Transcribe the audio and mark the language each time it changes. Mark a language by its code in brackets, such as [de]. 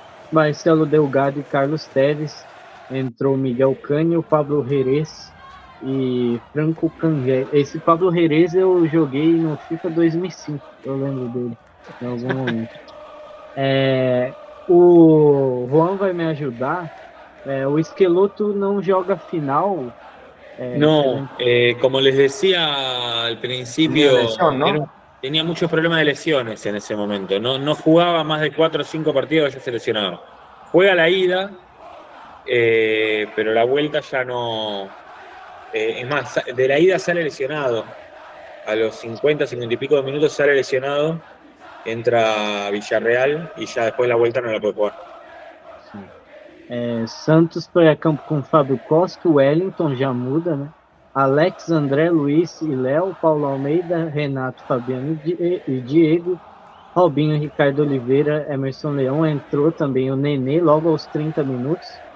[pt] Marcelo Delgado e Carlos Tevez. Entrou Miguel Cânio, Pablo Jerez e Franco Canguer. Esse Pablo Jerez eu joguei no FIFA 2005, eu lembro dele em algum momento. O Juan vai me ajudar. O Esqueloto não joga final. [es] No, como les decía al principio, lesión, ¿no? Tenía muchos problemas de lesiones en ese momento. No jugaba más de 4 o 5 partidos, ya se lesionaba. Juega la ida, pero la vuelta ya no. Es más, de la ida sale lesionado. A los 50, 50 y pico de minutos sale lesionado, entra Villarreal y ya después la vuelta no la puede jugar. [pt] Santos foi a campo com Fábio Costa, Wellington, já muda, né? Alex, André, Luiz e Léo, Paulo Almeida, Renato, Fabiano e Diego, Robinho, Ricardo Oliveira, Emerson Leão, entrou também o Nenê logo aos 30 minutos.